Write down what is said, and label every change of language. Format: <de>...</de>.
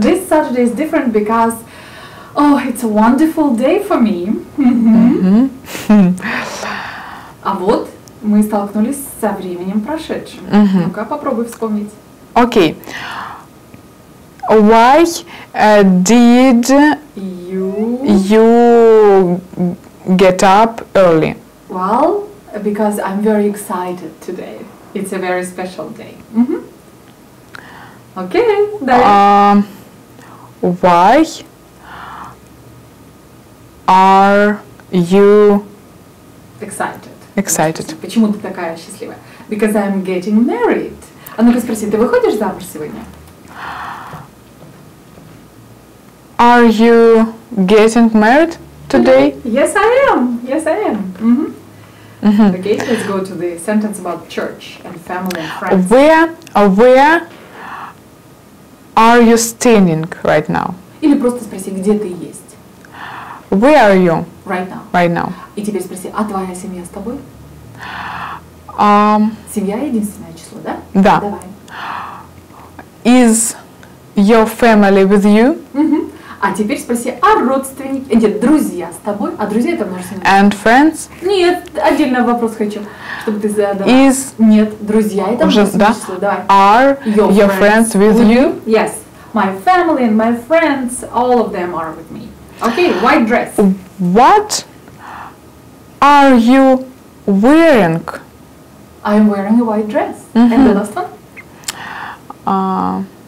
<en>This Saturday is different because oh, it's a wonderful day for me. Mm-hmm.</en> <ru>А вот мы столкнулись со временем прошедшим. Mm-hmm. Ну-ка, попробуй вспомнить.</ru> <en>Okay. Why did you get up early? Well, because I'm very excited today. It's a very special day. Mm-hmm. Okay,</en> <ru>далее.</ru> <en>Why are you excited?</en> <ru>Почему ты такая счастливая?</ru> <en>Because I'm getting married.</en> <ru>А ну-ка спроси, ты выходишь замуж сегодня?</ru> <en>Are you getting married today? Yes, I am. Yes, I am. Mm-hmm. Mm-hmm. Okay, let's go to the sentence about church and family and friends. Where are you standing right now?</en> <ru>Или просто спроси, где ты есть?</ru> <en>Where are you? Right now. Right now.</en> <ru>И теперь спроси, а твоя семья с тобой? Семья – единственное число, да? Да. Давай.</ru> <en>Is your family with you? Uh-huh.</en> <ru>А теперь спроси, а родственники? Нет, друзья с тобой? А друзья – это множество.</ru> <en>And friends?</en> <ru>Нет, отдельный вопрос хочу, чтобы ты задала.</ru> <en>Is...</en> <ru>Нет, друзья – это множество, да? Число. Давай.</ru> <en>Are your friends with you? Yes. My family and my friends, all of them are with me. Okay, white dress. What are you wearing? I'm wearing a white dress. Mm-hmm. And the last one?</en>